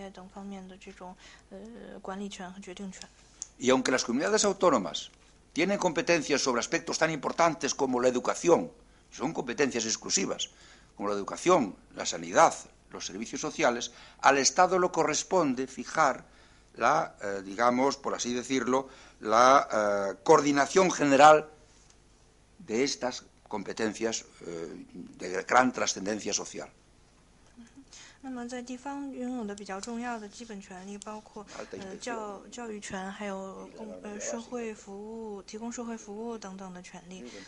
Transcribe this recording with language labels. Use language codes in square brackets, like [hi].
[zh] 那么在国家层面呢，它是享有以下的这些特权的，比如说知识产权，还有海关，还有货币以及信贷以及保险业等方面的这种管理权和决定权。 [es] Y aunque las comunidades autónomas tienen competencias sobre aspectos tan importantes como la educación, son competencias exclusivas, como la educación, la sanidad, los servicios sociales, al Estado le corresponde fijar la, digamos, por así decirlo, la coordinación general de estas competencias de gran trascendencia social. [zh] 那么在地方拥有的比较重要的基本权利，包括教育权，还有社会服务，提供社会服务等等的权利。